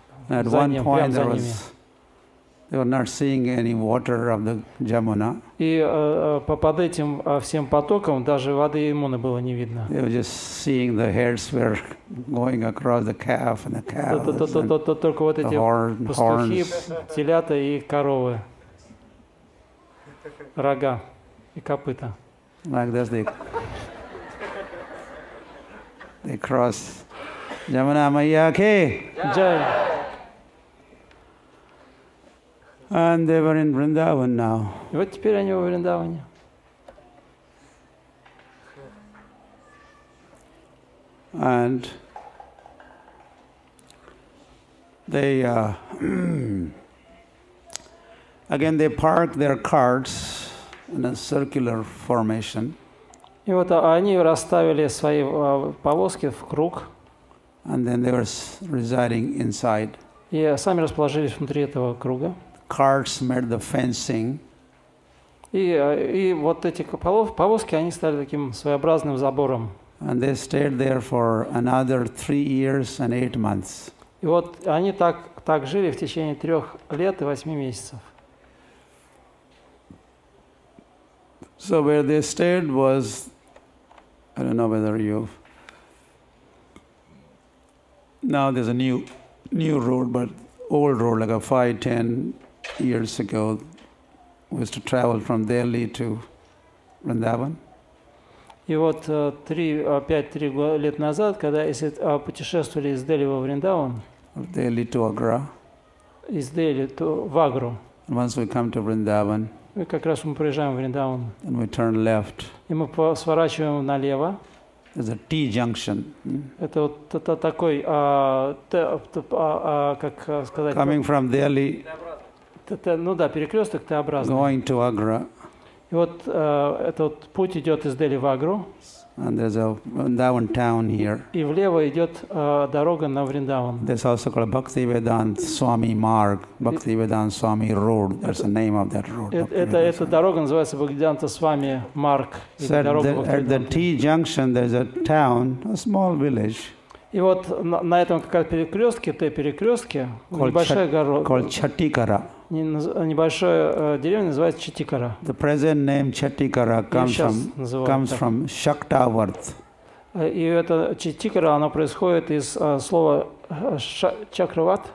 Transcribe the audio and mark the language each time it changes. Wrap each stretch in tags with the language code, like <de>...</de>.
<en>At one point they were not seeing any water of the Jamuna.</en> <ru>И под этим всем потоком даже воды Ямуны было не видно.</ru> <en>They were just seeing the hairs were going across the calf and the cows.</en> <ru>Только вот эти пастухи, телята и коровы. Рога и копыта.</ru> <en>Like this, they cross.</en> <hi>Jamuna Maiya ki. Jai.</hi> <en>And they were in Vrindavan now.</en> <ru>И вот теперь они в Вриндаване.</ru> <en>And they again they park their carts in a circular formation.</en> <ru>И вот они расставили свои повозки в круг.</ru> <en>And then they were residing inside.</en> <ru>И сами расположились внутри этого круга.</ru> <en>Carts made the fencing.</en> <ru>И вот эти повозки они стали таким своеобразным забором.</ru> <en>And they stayed there for another 3 years and 8 months.</en> <ru>И вот они так жили в течение 3 лет и 8 месяцев.</ru> <en>So where they stayed was, I don't know whether you've, now there's a new road, but old road, like a 5-10 years ago, was to travel from Delhi to Vrindavan.</en> <ru>И вот 3 года назад, когда если путешествовали из Дели во Вриндаван,</ru> <en>Delhi to Agra,</en> <ru>из Дели то в Агру.</ru> <en>Once we come to Vrindavan,</en> <ru>и как раз мы проезжаем в Вриндаван.</ru> <en>And we turn left.</en> <ru>И мы сворачиваем налево.</ru> <en>There's a T junction.</en> <ru>Это вот это такой, как сказать?</ru> <en>Coming from Delhi.</en> <ru>Это, ну да, перекресток Т-образный.</ru> <en>Going to Agra.</en> <ru>И вот этот путь идет из Дели в Агру.</ru> <en>And there's a Vrindavan town here.</en> <ru>И влево идет дорога на Вриндаван.</ru> <en>There's also called Bhaktivedanta Swami Marg, Bhaktivedanta Swami Road. That's the name of that road.</en> <ru>Эта дорога называется Bhaktivedanta Swami Marg.</ru> <en>At the T junction, there's a town, a small village.</en> <ru>И вот на этом как раз перекрестке, Т-перекрестке, небольшая город.</ru> <en>Called Chattikara.</en> <ru>Небольшая деревня называется Чатикара.</ru> <en>The present name Chattikara comes from Shaktavart.</en> <ru>И это Чатикара, оно происходит из слова Чакрават.</ru>